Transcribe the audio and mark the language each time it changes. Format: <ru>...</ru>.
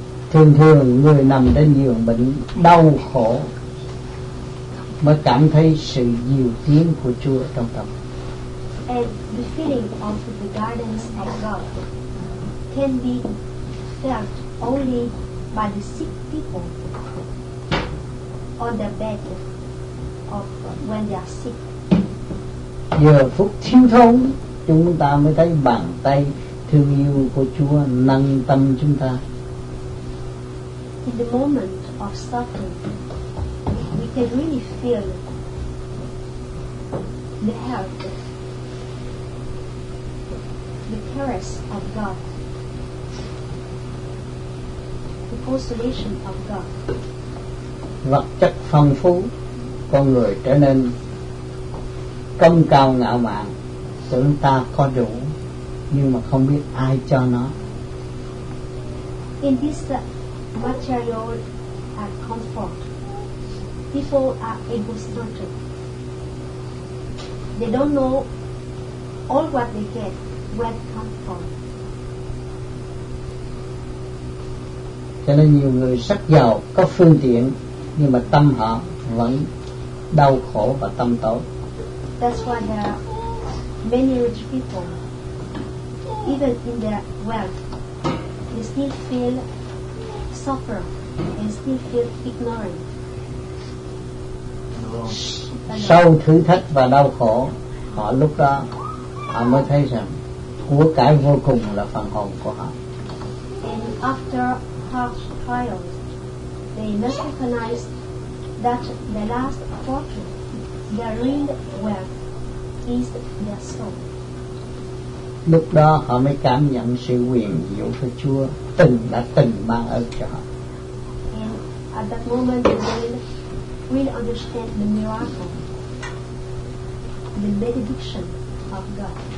<vi>Thường thường người nằm trên giường bệnh đau khổ mới cảm thấy sự diệu tiến của Chúa trong tâm.</vi> <en>And the feeling of the guidance of God can be felt only by the sick people on the bed of when they are sick.</en> <vi>Giờ phút thiếu thốn, chúng ta mới thấy bàn tay thương yêu của Chúa nâng tâm chúng ta.</vi> <en>In the moment of suffering, we can really feel the help, the caress of God, the consolation of God.</en> <vi>Vật chất phong phú, con người trở nên công cao ngạo mạn, tưởng ta có đủ nhưng mà không biết ai cho nó.</vi> <en>In this material comfort, people are egocentric. They don't know all what they get, where it comes from.</en> <vi>Cho nên nhiều người rất giàu, có phương tiện, nhưng mà tâm họ vẫn đau khổ và tâm tối.</vi> <en>That's why there are many rich people, even in their wealth, they still feel suffer and still feel ignorant.</en> <vi>Nó sau thử thách và đau khổ, họ lúc đó họ mới thấy rằng của cải vô cùng là phần hồn của họ.</vi> <en>And after harsh trials, they must recognize that the last fortune, the real wealth, is their soul.</en> <vi>Lúc đó họ mới cảm nhận sự quyền diệu của Chúa từng đã từng ban ơn cho họ.</vi> <en>And at that moment, they will understand the miracle, the benediction of God.</en>